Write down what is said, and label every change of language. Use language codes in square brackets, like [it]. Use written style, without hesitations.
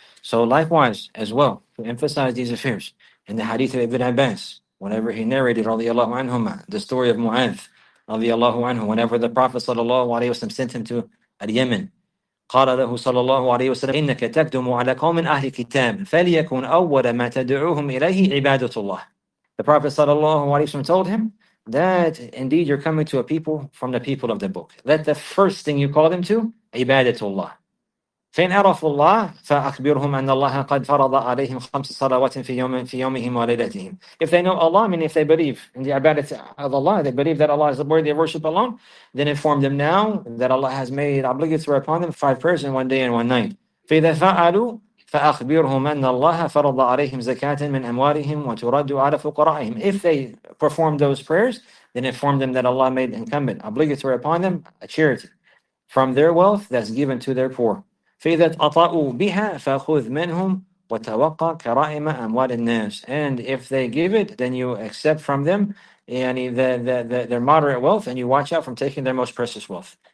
[en] So likewise as well, to emphasize these affairs in the hadith of Ibn Abbas, whenever he narrated radiallahu anhuma, the story of Mu'adh radiallahu anhu, whenever the Prophet sallallahu alayhi wa sallam sent him to Al-Yemen, [ar] قال له صلى الله عليه وسلم إنك تقدم على قوم أهل كتاب فليكن أول ما تدعوهم إليه عبادة الله. [en] The Prophet صلى الله عليه وسلم told him that indeed you're coming to a people from the people of the book. Let the first thing you call them to عبادة الله. [ar] فإن عرفوا الله فأخبرهم أن الله قد فرض عليهم خمس صلوات في يوم في يومهم وليلتهم. [en] If they know Allah, meaning if they believe in the ibadah of Allah, they believe that Allah is the worthy of worship alone, then inform them now that Allah has made obligatory upon them five prayers in one day and one night. [ar] فإذا فعلوا فأخبرهم أن الله فرض عليهم زكاة من أموالهم وترد على فقرائهم. [en] If they perform those prayers, then inform them that Allah made incumbent obligatory upon them a charity from their wealth that's given to their poor. [ar] فَإِذَا أَطَأُوا بِهَا فَأَخُذْ مِنْهُمْ وَتَوَقَّ كَرَائِمَ أَمْوَالِ النَّاسِ. [en] And if they give it, then you accept from them yani the their moderate wealth, and you watch out from taking their most precious wealth.